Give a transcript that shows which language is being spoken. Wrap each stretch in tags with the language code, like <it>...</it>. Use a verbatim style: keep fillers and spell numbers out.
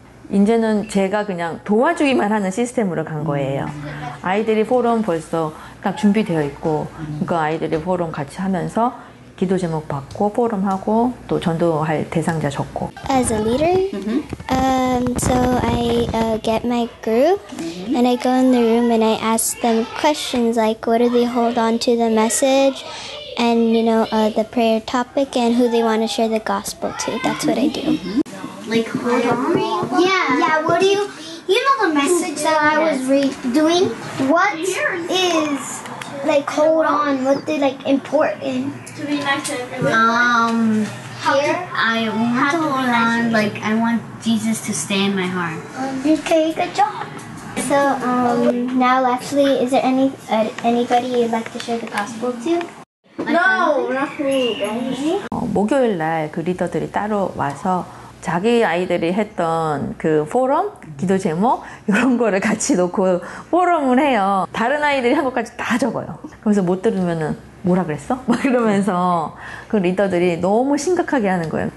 <ko>이제는 제가 그냥 도와주기만 하는 시스템으로 간 거예요. 아이들이 포럼 벌써 딱 준비되어 있고, 그러니까 아이들이 포럼 같이 하면서 기도 제목 받고, 포럼하고, 또 전도할 대상자 적고.</ko> <en>As a leader, mm-hmm. um, so I uh, get my group mm-hmm. and I go in the room and I ask them questions like what do they hold on to the message and, you know, uh, the prayer topic and who they want to share the gospel to. That's what I do. Mm-hmm. Like hold on? Yeah. Yeah, what do you, you know the message that I was re- doing? What is, like, hold on, what they, like, important? To be nice to everyone. Um, here? I want to hold on, like, I want Jesus to stay in my heart. Okay, good job. So, um, now, actually, is there any uh, anybody you'd like to share the gospel to? No, not me, guys.</en> <ko>어, 목요일 날 그 리더들이 따로 와서 자기 아이들이 했던 그 포럼, 기도 제목 이런 거를 같이 놓고 포럼을 해요. 다른 아이들이 한 것까지 다 적어요. 그러면서 못 들으면은 뭐라 그랬어? 막 그러면서 그 리더들이 너무 심각하게 하는 거예요.</ko>